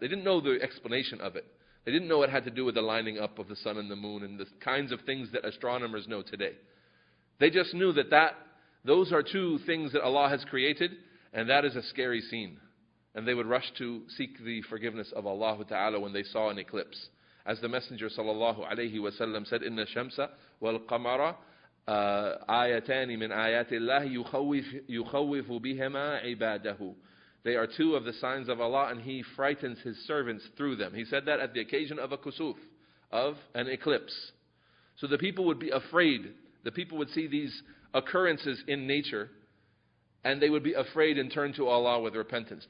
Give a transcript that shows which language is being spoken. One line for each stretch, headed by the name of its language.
English: They didn't know the explanation of it. They didn't know it had to do with the lining up of the sun and the moon and the kinds of things that astronomers know today. They just knew that, those are two things that Allah has created, and that is a scary scene. And they would rush to seek the forgiveness of Allah Ta'ala when they saw an eclipse. As the Messenger sallallahu alayhi wa sallam said,
Arabic: إِنَّ الشَّمْسَ وَالْقَمَرَ آيَتَانِ مِنْ آيَاتِ اللَّهِ يُخَوِّفُ بِهِمَا عِبَادَهُ.
English: They are two of the signs of Allah, and He frightens His servants through them. He said that at the occasion of a kusuf, of an eclipse. So the people would be afraid. The people would see these occurrences in nature, and they would be afraid and turn to Allah with repentance.